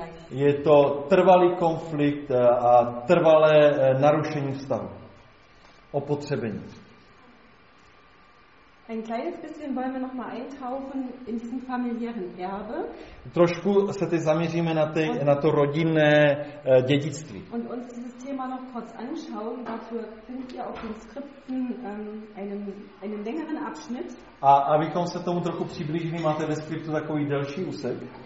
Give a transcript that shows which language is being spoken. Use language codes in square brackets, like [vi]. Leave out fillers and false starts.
[cs] Je to trvalý konflikt a trvalé narušení vztahu. Opotřebení. [de] Ein kleines bisschen wollen wir noch mal eintauchen in diesem familiären Erbe. [cs] Trošku se teď zaměříme na ty, na to rodinné dědictví. [de] Und uns dieses Thema noch kurz anschauen, dafür findet ihr auf den Skripten einen längeren Abschnitt. [cs] A abychom se tomu trochu přiblížili, máte ve skriptu takový delší úsek.